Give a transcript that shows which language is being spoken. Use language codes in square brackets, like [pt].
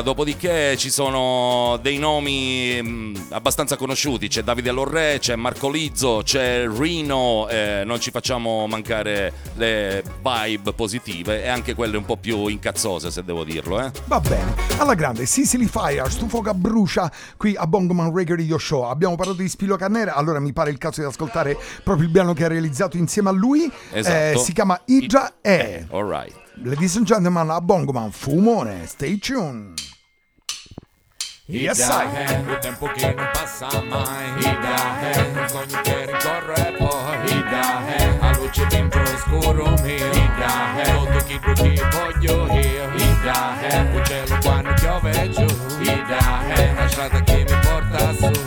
[it] Dopodiché ci sono dei nomi abbastanza conosciuti, c'è Davide Lorre, c'è Marco Lizzo, c'è Rino, non ci facciamo mancare le vibe positive e anche quelle un po' più incazzose, se devo dirlo. Va bene, alla grande, Sizzling Fire, Stu Foca brucia qui a Bongoman Reggae Radio Show. Abbiamo parlato di Spillo Carnera, allora mi pare il caso di ascoltare proprio il brano che ha realizzato insieme a lui. Esatto. Si chiama Idra E. [en] All right. Ladies and gentlemen, a Bongoman, Fumone, stay tuned. [it] Idra E, il tempo che non passa mai. Idra E, un sogno che ricorre poi. Idra E, la luce dentro l'oscuro mio. Idra E, tutto chi brutti voglio io. Idra E, un cielo quando piove giù. Idra E, la strada che mi porta su.